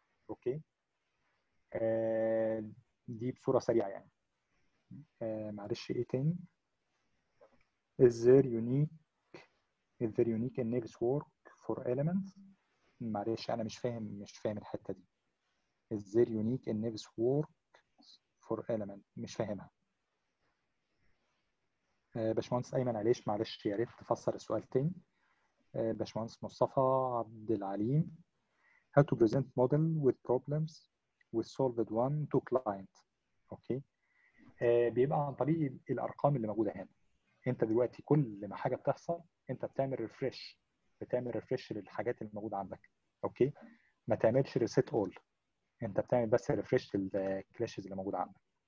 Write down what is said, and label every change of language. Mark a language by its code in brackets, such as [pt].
[ar] اوكي دي بصورة سريعة يعني. معلش ايه تاني؟ [en] Is there unique in Nevis work for elements؟ [ar] معلش انا مش فاهم الحتة دي. [en] Is there unique in Nevis work for element؟ [ar] مش فاهمها. باشمهندس ايمن علاش معلش ياريت تفسر السؤال تاني. [en] باشمهندس مصطفى عبد العليم، How to present model with problems with solved one to client. [ar] اوكي بيبقى عن طريق الارقام اللي موجوده هنا. انت دلوقتي كل ما حاجه بتحصل انت بتعمل ريفرش للحاجات اللي موجوده عندك. اوكي ما تعملش ريسيت اول، انت بتعمل بس ريفرش للكلاشز اللي موجوده عندك.